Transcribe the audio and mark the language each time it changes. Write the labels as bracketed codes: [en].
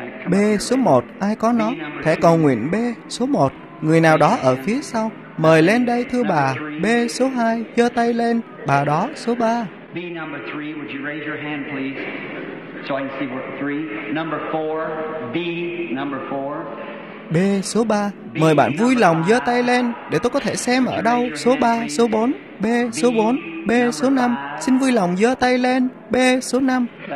[vi] B số 1, ai có nó? Thẻ cầu nguyện B số 1. Người nào đó ở phía sau, mời lên đây thưa bà. B số 2, giơ tay lên. Bà đó, số 3. [en] B number 3, would you raise your hand please? So I can see what 3. Number 4, B number 4. [vi] B số 3, mời bạn vui lòng giơ tay lên để tôi có thể xem ở đâu. Số 3, số 4, B số 4, B số 5, xin vui lòng giơ tay lên. B số 5.